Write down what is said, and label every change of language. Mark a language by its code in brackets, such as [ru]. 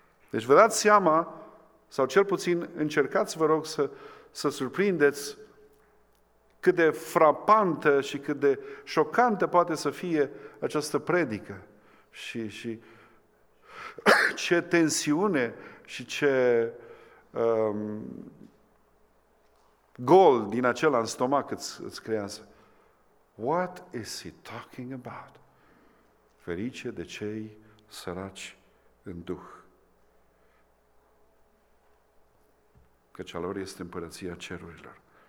[ro] Deci vă dați seama, sau cel puțin încercați, vă rog, să surprindeți cât de frapantă și cât de șocantă poate să fie această predică. Și ce tensiune și ce gol din acela în stomac îți creează. [en] What is he talking about? [ro] Ferice de cei săraci în duh, căci a lor este împărăția cerurilor.